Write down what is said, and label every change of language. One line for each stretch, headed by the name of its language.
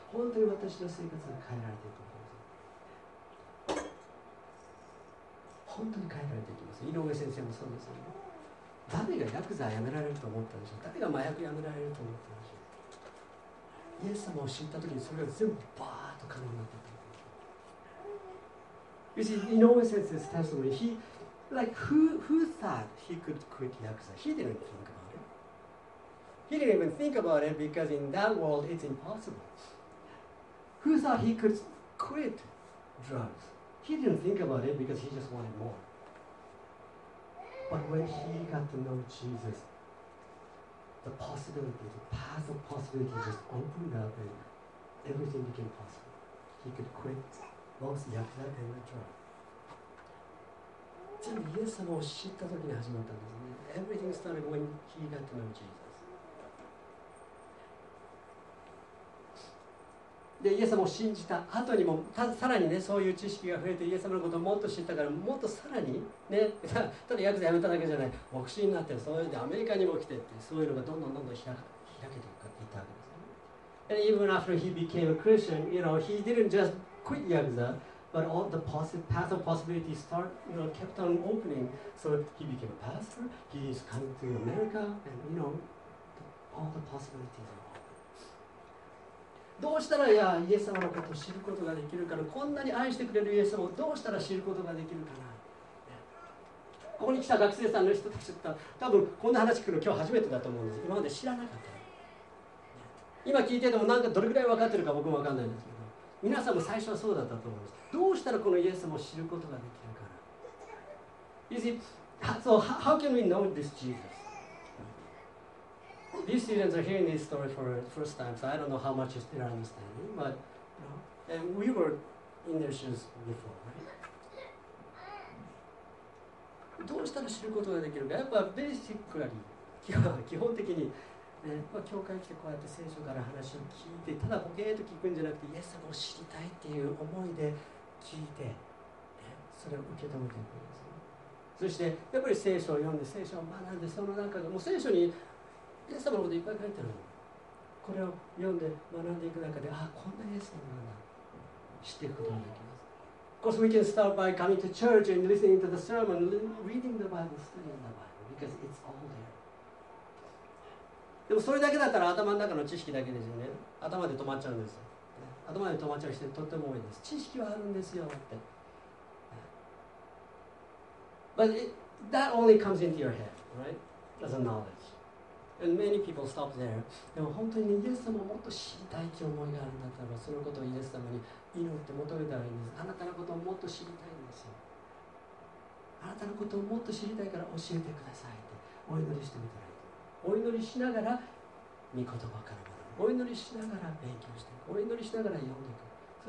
Japanese: 本当に私の生活が変えられていくことです。本当に変えられていきます。井上先生もそうですよね。誰がヤクザやめられると思ったんでしょう。誰が麻薬やめられると思ったんでしょう。イエス様を知ったときに、それが全部バーッと可能になったと。
English: You see, Inoue Sensei's testimony, he, like, who thought he could quit Yakuza? He didn't think about it. He didn't even think about it because in that world it's impossible. Who thought he could quit drugs? He didn't think about it because he just wanted more. But when he got to know Jesus, the possibility, the path of possibility just opened up and everything became possible. He could quit both yakuza and the drug. Everything started when he got to know Jesus.
Japanese: で、イエス様を信じた後にも、さらにね、そういう知識が増えて、イエス様のことをもっと知ったから、もっとさらに、ね、ただヤクザ辞めただけじゃない、牧師になって、そういうのでアメリカにも来てって、そういうのがどんどんどんどん開けていったわけですね。
English: And even after he became a Christian, you know, he didn't just quit Yakuza, but all the path of possibility start, you know, kept on opening. So he became a pastor, he's come to America, and you know, all the possibilities are.
Japanese: どうしたらいやイエス様のことを知ることができるかな、こんなに愛してくれるイエス様をどうしたら知ることができるかな、ここに来た学生さんの人たちと多分こんな話聞くの今日初めてだと思うんです。今まで知らなかった、今聞いててもなんかどれくらい分かってるか僕も分かんないんですけど、皆さんも最初はそうだったと思うんです。どうしたらこのイエス様を知ることができるかな。
English: You see, so how can we know this JesusThese students are hearing this story for the first time, so I don't know how much they're understanding, but and we were in their shoes before, right?
Japanese: どうしたら知ることができるか、やっぱりベーシックなり、基本的に、まあ、教会に来てこうやって聖書から話を聞いて、ただボケーと聞くんじゃなくて、イエス様を知りたいっていう思いで聞いて、それを受け止めていくんですね。そして、やっぱり聖書を読んで、聖書を学んで、その中でもう聖書にイエス様のこといっぱい書いてるの、これを読んで学んでいく中で、ああ、こんなイエス様なんだ、知っていくことができます。
English: Of course we can start by coming to church and listening to the sermon, reading the Bible, studying the Bible, because it's all there.
Japanese: でもそれだけだったら頭の中の知識だけですよね。頭で止まっちゃうんです。頭で止まっちゃう人とっても多いです。知識はあるんですよって。
English: But that only comes into your head, right? As a knowledgeAnd many people stop there.
Japanese: でも本当に、ね、イエス様をもっと知りたいという思いがあるんだったら、そのことをイエス様に祈って求めたらいいんです。あなたのことをもっと知りたいんですよ。あなたのことをもっと知りたいから教えてくださいってお祈りしてみたらいい。お祈りしながら御言葉から学ぶ。お祈りしながら勉強していく。お祈りしながら読んでいく。